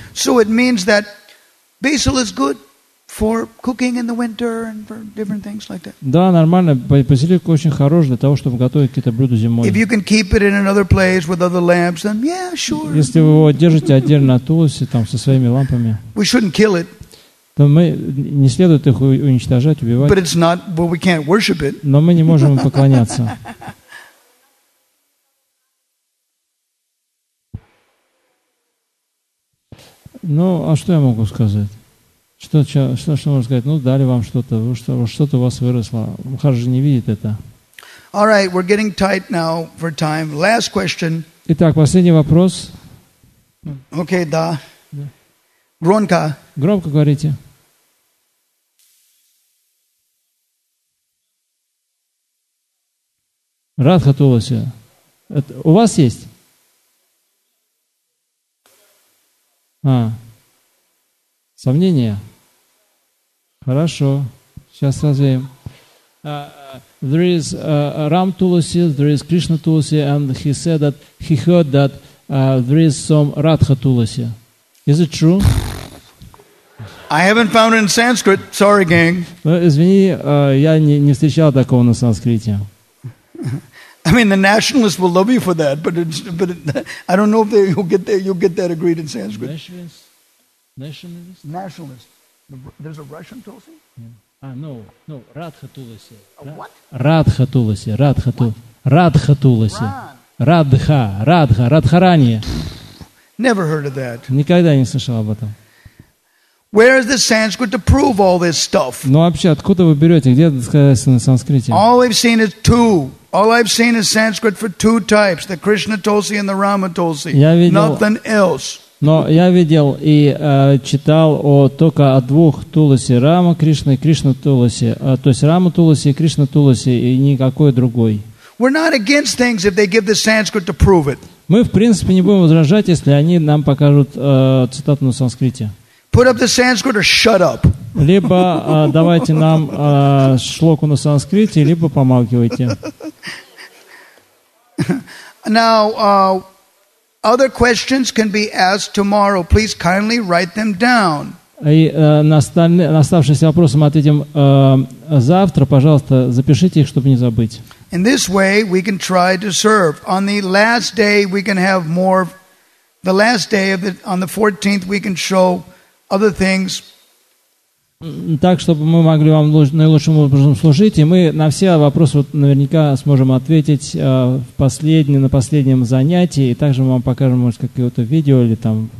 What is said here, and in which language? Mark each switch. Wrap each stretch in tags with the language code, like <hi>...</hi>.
<en>So it means that basil is good for cooking in the winter and for different things like that.</en> <ru>Да, нормально. Базилик очень хорош для того, чтобы готовить какие-то блюда зимой.</ru> <en>If you can keep it in another place with other lamps, then yeah, sure.</en> <ru>Если вы его держите отдельно от Тулуси, там со своими лампами.</ru> <en>We shouldn't kill it.</en> <ru>Но мы не следует их уничтожать, убивать.</ru> <en>But it's not, well, we can't worship it.</en> <ru>Но мы не можем им поклоняться. Ну, а что я могу сказать? Что можно сказать? Ну, дали вам что-то. Что-то у вас выросло. Мухарджи не видит это.</ru> <en>All right, we're getting tight now for time. Last question.</en> <ru>Итак, последний вопрос. Okay, да. Громко. Громко говорите. Радха Тулси. Это у вас есть? А. Сомнения? Хорошо. Сейчас развеем.</ru> <en>There is Ram Tulsi, there is Krishna Tulsi, and he said that he heard that there is some Radha Tulsi. Is it true? I haven't found it in Sanskrit. Sorry, gang.</en> <ru>Ну, извини, я не встречал такого на санскрите.</ru> <en>I mean, the nationalists will love you for that, but I don't know if you'll get that agreed in Sanskrit. Nationalists. There's a Russian Tulsi? Yeah. No, Radha Tulsi. What? Radha Tulsi. Radha Tulsi. Radha Tulsi. Radha. Radha. Radharani. Never heard of that.</en> <ru>Никогда не слышал об этом.</ru> <en>Where is the Sanskrit to prove all this stuff?</en> <ru>Ну вообще, откуда вы берете? Где это сказано на санскрите?</ru> <en>All we've seen is two. All I've seen is Sanskrit for two types, the Krishna Tulsi and the Rama Tulsi. Nothing else.</en> <ru>Но я видел и читал о только о двух Туласи, Рама Кришна и Кришна Туласи, то есть Рама Туласи и Кришна Туласи и никакой другой.</ru> <en>We're not against things if they give the Sanskrit to prove it.</en> <ru>Мы, в принципе, не будем возражать, если они нам покажут цитату на санскрите.</ru> <en>Put up the Sanskrit or shut up.</en> <ru>Либо давайте нам шлоку на санскрите, либо помалкивайте.</ru> <en>Now, other questions can be asked tomorrow. Please kindly write them down.</en> <ru>И на оставшиеся вопросы мы ответим завтра. Пожалуйста, запишите их, чтобы не забыть.</ru> <en>In this way, we can try to serve. On the last day, we can have more. The last day of on the 14th, we can show other things.</en> <ru>Так, чтобы мы могли вам наилучшим образом служить, и мы на все вопросы вот наверняка сможем ответить на последнем занятии, и также мы вам покажем, может, какое-то видео или там...</ru>